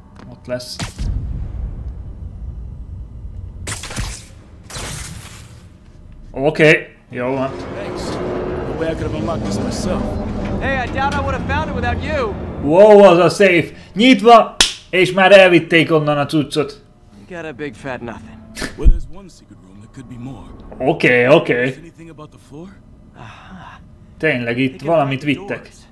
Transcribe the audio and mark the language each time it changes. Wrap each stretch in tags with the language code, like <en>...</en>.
<hu>Ott lesz.</hu> <en>Okay. Yo. Thanks. No way I could have unlocked this myself. Hey, I doubt I would have found it without you. Whoa, was a safe.</en> <hu>Nyitva, és már elvitték onnan a cuccot.</hu> <en>You got a big fat nothing. Well, there's one secret room that could be more. Okay. Is anything about the floor?</en> <hu>Tényleg itt valamit vittek.</hu>